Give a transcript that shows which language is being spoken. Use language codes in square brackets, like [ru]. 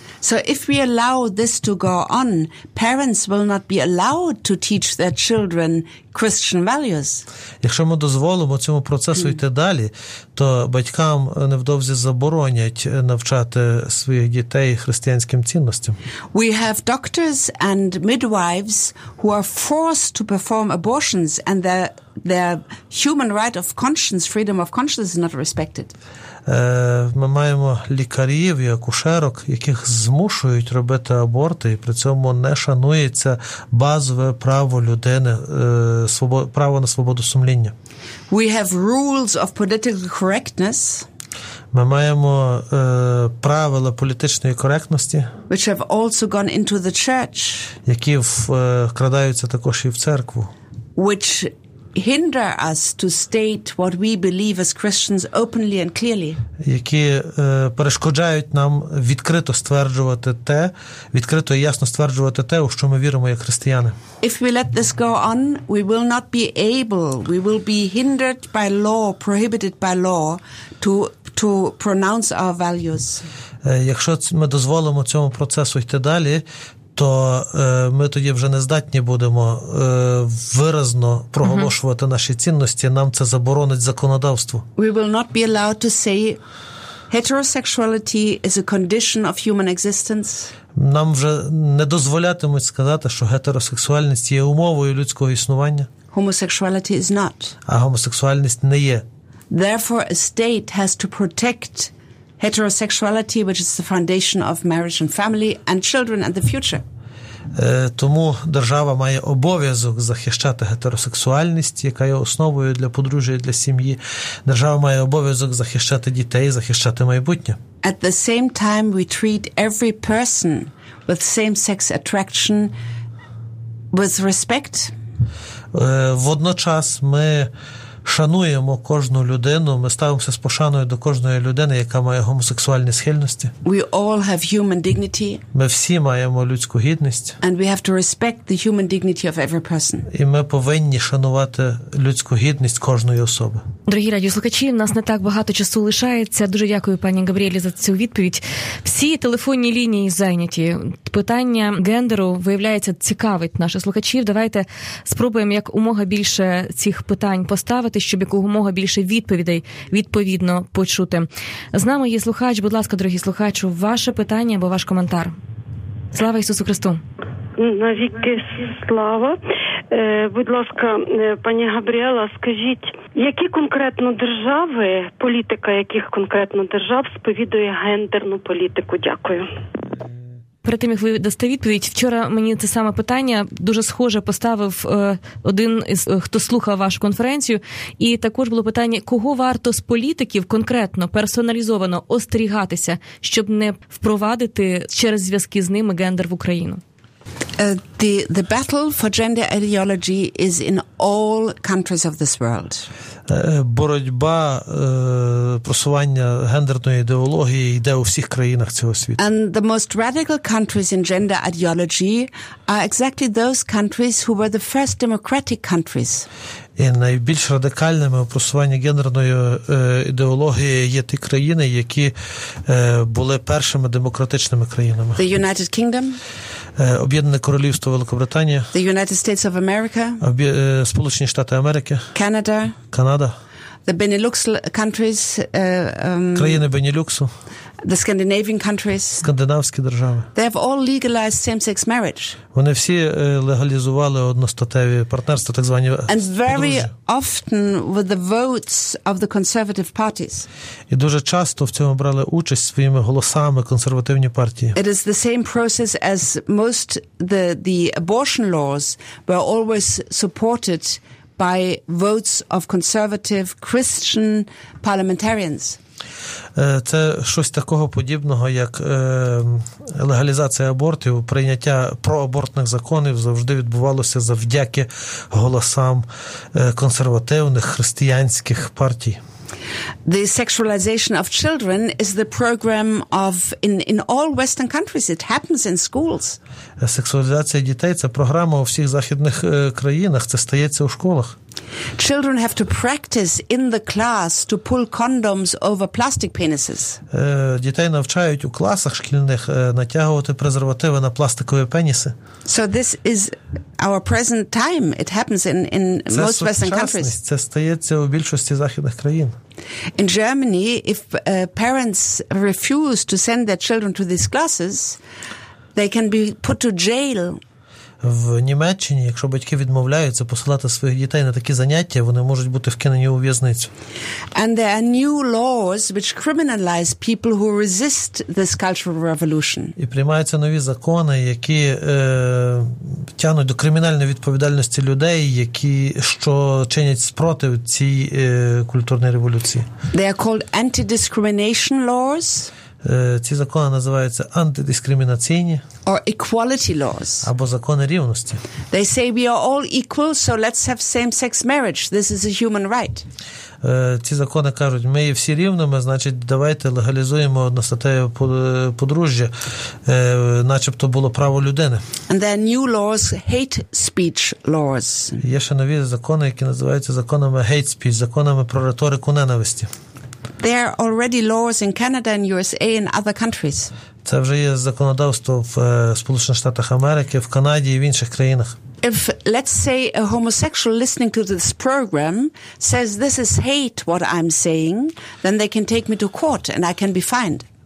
[en] So if we allow this to go on, parents will not be allowed to teach their children Christian values. [uk] Якщо ми дозволимо цьому процесу йти далі, то батькам невдовзі заборонять навчати своїх дітей християнським цінностям. [en] We have doctors and midwives who are forced to perform abortions and their human right of conscience, freedom of conscience is not respected. [uk] Ми маємо лікарів і акушерок, яких змушують робити аборти, і при цьому не шанується базове право людини, право на свободу сумління. [en] We have rules of political correctness. [uk] Ми маємо правила політичної коректності, [en] which have also gone into the church, [uk] які вкрадаються також і в церкву, [en] which hinder us to state what we believe as Christians openly and clearly. [uk] Які перешкоджають нам відкрито стверджувати те, відкрито і ясно стверджувати те, у що ми віримо як християни. [en] If we let this go on, we will not be able, we will be hindered by law, prohibited by law, to pronounce our values. [uk] Якщо ми дозволимо цьому процесу йти далі, то ми тоді вже не здатні будемо виразно проголошувати наші цінності, нам це заборонить законодавство. [en] We will not be allowed to say heterosexuality is a condition of human existence. [uk] Нам вже не дозволятимуть сказати, що гетеросексуальність є умовою людського існування. [en] Homosexuality is not. [uk] А гомосексуальність не є. [en] Therefore, a state has to protect heterosexuality, which is the foundation of marriage and family and children and the future. [uk] Тому держава має обов'язок захищати гетеросексуальність, яка є основою для подружжя, для сім'ї. Держава має обов'язок захищати дітей, захищати майбутнє. [en] At the same time, we treat every person with same-sex attraction with respect. [uk] Водночас ми шануємо кожну людину, ми ставимося з пошаною до кожної людини, яка має гомосексуальні схильності. [en] We all have human dignity. [uk] Ми всі маємо людську гідність. [en] And we have to respect the human dignity of every person. [uk] І ми повинні шанувати людську гідність кожної особи. Дорогі радіослухачі, в нас не так багато часу лишається. Дуже дякую пані Габріелі за цю відповідь. Всі телефонні лінії зайняті. Питання гендеру, виявляється, цікавить наших слухачів. Давайте спробуємо якомога більше цих питань поставити, щоб якомога більше відповідей відповідно почути. З нами є слухач. Будь ласка, дорогі слухачу, ваше питання або ваш коментар. Слава Ісусу Христу! Навіки слава. Будь ласка, пані Габріела, скажіть, які конкретно держави, політика яких конкретно держав сповідує гендерну політику? Дякую. Перед тим, як ви дасте відповідь, вчора мені це саме питання дуже схоже поставив один із, хто слухав вашу конференцію, і також було питання, кого варто з політиків конкретно, персоналізовано остерігатися, щоб не впровадити через зв'язки з ними гендер в Україну? [en] The battle for gender ideology is in all countries of this world. [uk] Боротьба просування гендерної ідеології йде у всіх країнах цього світу. [en] And the most radical countries in gender ideology are exactly those countries who were the first democratic countries. [uk] І найбільш радикальними у просуванні гендерної ідеології є ті країни, які були першими демократичними країнами. [en] The United Kingdom. [uk] Об'єднане Королівство Великобританія. [en] The United States of America. [uk] Сполучені Штати Америки. [en] Canada. [uk] Канада. [en] The Benelux countries. [uk] Країни Бенілюксу. [en] The Scandinavian countries. [uk] Скандинавські держави. [en] They have all legalized same-sex marriage. [uk] Вони всі легалізували одностатеві партнерства, так звані подружжя. [en] And very often with the votes of the conservative parties. [uk] І дуже часто в цьому брали участь своїми голосами консервативні партії. [en] It is the same process as most the abortion laws were always supported by votes of conservative Christian parliamentarians. [uk] Це щось такого подібного, як легалізація абортів, прийняття проабортних законів завжди відбувалося завдяки голосам консервативних християнських партій. [en] The sexualization of children is the program of in all Western countries. It happens in schools. [uk] Сексуалізація дітей – це програма у всіх західних країнах. Це стається у школах. [en] Children have to practice in the class to pull condoms over plastic penises. [uk] Дітей навчають у класах шкільних натягувати презервативи на пластикові пеніси. [en] So this is our present time. It happens in most Western countries. [uk] Це стається у більшості західних країн. [en] In Germany, if parents refuse to send their children to these classes, they can be put to jail. [uk] В Німеччині, якщо батьки відмовляються посилати своїх дітей на такі заняття, вони можуть бути вкинені у в'язницю. [en] And there are new laws which criminalize people who resist this cultural revolution. [uk] І приймаються нові закони, які тягнуть до кримінальної відповідальності людей, які що чинять спротив цій культурній революції. [en] They are called anti-discrimination laws. [uk] Ці закони називаються антидискримінаційні. [en] Or equality laws. [uk] Або закони рівності. [en] They say we are all equal, so let's have same-sex marriage. This is a human right. [uk] Ці закони кажуть, ми є всі рівними, значить, давайте легалізуємо одностатеві подружжя, начебто було право людини. [en] And there are new laws, hate speech laws. [uk] Є ще нові закони, які називаються законами hate speech, законами про риторику ненависті. [en] There are already laws in Canada and USA and other countries. [uk] Це вже є законодавство в Сполучених Штатах Америки, в Канаді і в інших країнах. [en] If, let's say, a homosexual listening to this program says this is hate what I'm saying, then they can take me to court and I can be fined.